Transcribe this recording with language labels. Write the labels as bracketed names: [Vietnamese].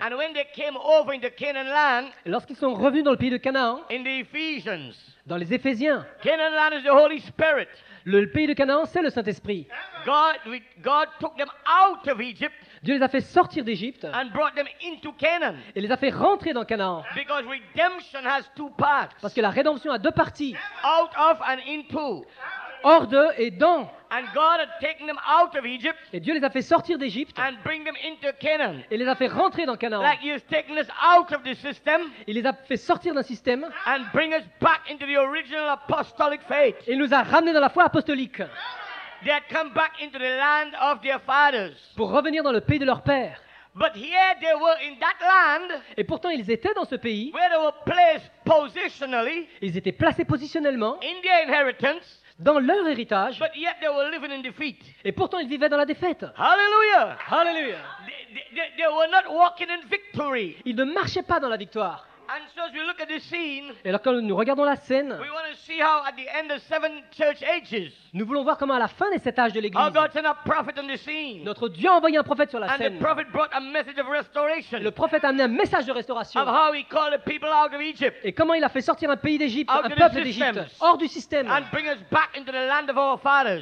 [English] And when they came over into Canaan land, [French] lorsqu'ils sont revenus dans le pays de Canaan, [English] in the Ephesians, [French] dans les Éphésiens, [English] Canaan land is the Holy Spirit. [French] Le pays de Canaan, c'est le Saint-Esprit. [English] God took them out of Egypt. [French] Dieu les a fait sortir d'Égypte. [English] And brought them into Canaan. [French] Et les a fait rentrer dans Canaan. [English] Because redemption has two parts. [French] Parce que la rédemption a deux parties. [English] Out of and into. [French] Hors de et dans. [English] And God had taken them out of Egypt. [French] Et Dieu les a fait sortir d'Égypte. [English] And bring them into Canaan. [French] Et les a fait rentrer dans Canaan. [English] Like he has taken us out of the system. [French] Il les a fait sortir d'un système. [English] And bring us back into the original apostolic faith. [French] Et nous a ramenés dans la foi apostolique. [English] They had come back into the land of their fathers. [French] Pour revenir dans le pays de leurs pères. [English] But here they were in that land. [French] Et pourtant ils étaient dans ce pays. [English] Where they were placed positionally. [French] Ils étaient placés positionnellement. [English] In their inheritance. [French] Dans leur héritage. [English] But yet they were living in defeat. [French] Et pourtant ils vivaient dans la défaite. Hallelujah. Hallelujah. [English] They were not walking in victory. [French] Ils ne marchaient pas dans la victoire. [English] And so as we look at the scene, [French] et alors quand nous regardons la scène, [English] we want to see how at the end of seven church ages, [French] nous voulons voir comment à la fin des sept âges de l'Église, [English] our God sent a prophet on the scene, [French] notre Dieu a envoyé un prophète sur la [English] and [French] scène. [English] The prophet brought a message of restoration, [French] le prophète a amené un message de restauration [English] of how he called the people out of Egypt, [French] et comment il a fait sortir un pays d'Égypte, [English] out [French] un peuple d'Égypte, hors du système, [English] and bring us back into the land of our fathers,